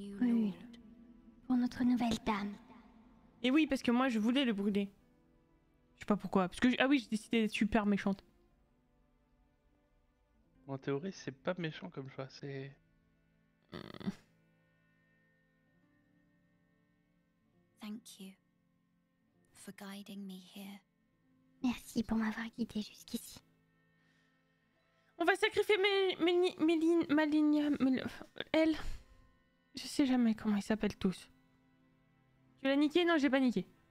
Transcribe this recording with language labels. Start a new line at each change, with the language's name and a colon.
French: Oui. Pour notre nouvelle dame. Et oui, parce que moi, je voulais le brûler. Je sais pas pourquoi. Parce que ah oui, j'ai décidé d'être super méchante. En théorie, c'est pas méchant comme choix, c'est...
English: Thank you for guiding me here.
French: Merci pour m'avoir guidé jusqu'ici. On va sacrifier Malenia. Je sais jamais comment ils s'appellent tous. Tu l'as niqué? Non, j'ai pas niqué.